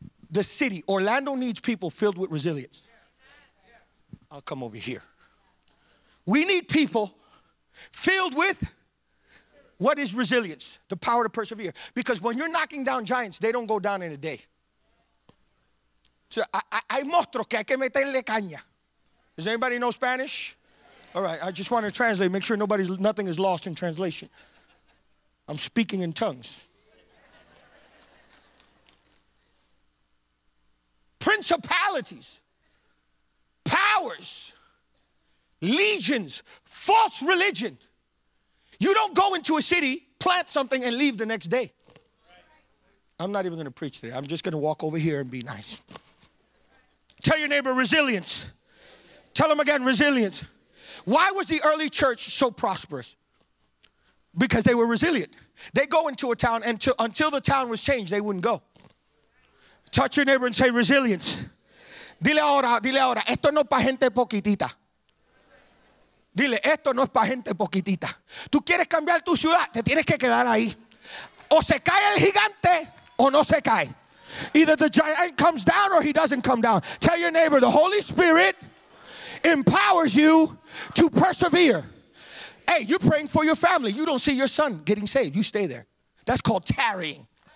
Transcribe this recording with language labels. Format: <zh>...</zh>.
<en>The city, Orlando, needs people filled with resilience. I'll come over here. We need people filled with what is resilience, the power to persevere. Because when you're knocking down giants, they don't go down in a day.</en> <es>So I mostro que hay que meterle caña.</es> <en>Does anybody know Spanish? All right, I just want to translate, make sure nothing is lost in translation. I'm speaking in tongues. Principalities, powers, legions, false religion. You don't go into a city, plant something, and leave the next day. I'm not even going to preach today. I'm just going to walk over here and be nice. Tell your neighbor resilience. Tell them again, resilience. Why was the early church so prosperous? Because they were resilient. They go into a town, and until the town was changed, they wouldn't go. Touch your neighbor and say resilience.</en> <es>Dile ahora, esto no es para gente poquitita. Dile, esto no es para gente poquitita. Tú quieres cambiar tu ciudad, te tienes que quedar ahí. O se cae el gigante, o no se cae.</es> <en>Either the giant comes down or he doesn't come down. Tell your neighbor, the Holy Spirit empowers you to persevere. Hey, you're praying for your family. You don't see your son getting saved. You stay there. That's called tarrying.</en>